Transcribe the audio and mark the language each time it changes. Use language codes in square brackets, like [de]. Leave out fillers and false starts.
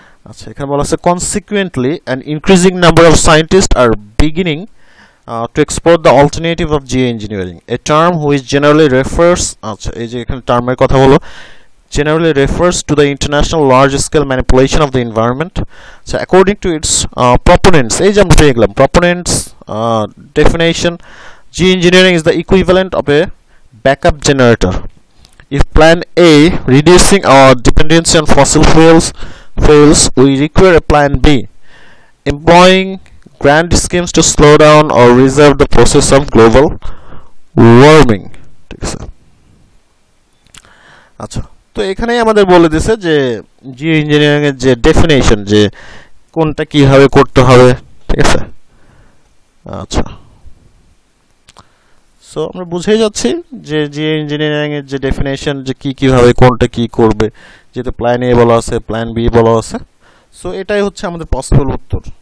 [en] আচ্ছা, এখানে বলা আছে consequently an increasing number of scientist are beginning to explore the alternative of geoengineering a term which generally refers, [bn] আচ্ছা এই যে এখানে টার্মের কথা বলো, [en] Generally refers to the international large scale manipulation of the environment. আচ্ছা, according to its proponents, [bn] এই যে আমরা পেয়ে গেলাম প্রপোনেন্টস definition, [en] geoengineering is the equivalent of a backup generator if plan a reducing our dependency on fossil fuels fails we require a plan b employing grand schemes to slow down or reverse the process of global warming, [bn] ঠিক আছে। আচ্ছা, তো এখানেই আমাদের বলে দিছে যে Jio engineering এর যে ডেফিনিশন যে কোনটা কিভাবে করতে হবে, ঠিক আছে। আচ্ছা, তো আমরা বুঝেই যাচ্ছি যে জিও ইঞ্জিনিয়ারিং এর যে ডেফিনেশন যে কি কিভাবে কোনটা কি করবে, যেহেতু প্ল্যান এ বলা আছে প্ল্যান বি বলা আছে, সো এটাই হচ্ছে আমাদের পসিবল উত্তর।